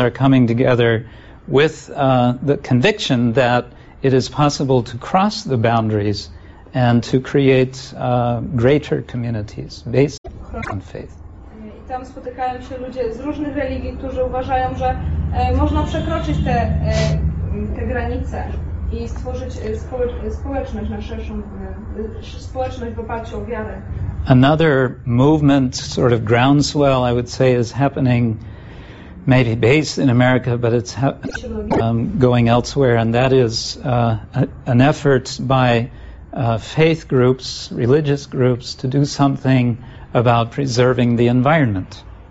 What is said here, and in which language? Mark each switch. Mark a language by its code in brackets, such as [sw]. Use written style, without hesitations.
[en] Are coming together with the conviction that it is possible to cross the boundaries and to create greater communities based on faith. [pl] I tam spotykają się ludzie z różnych religii, którzy uważają, że można przekroczyć te granice. I stworzyć społeczność na szerszą społeczność w oparciu o wiarę. [en] Another movement, sort of groundswell, I would say, is happening, maybe based in America, but it's going elsewhere, and that is an effort by faith groups, religious groups, to do something about preserving the environment.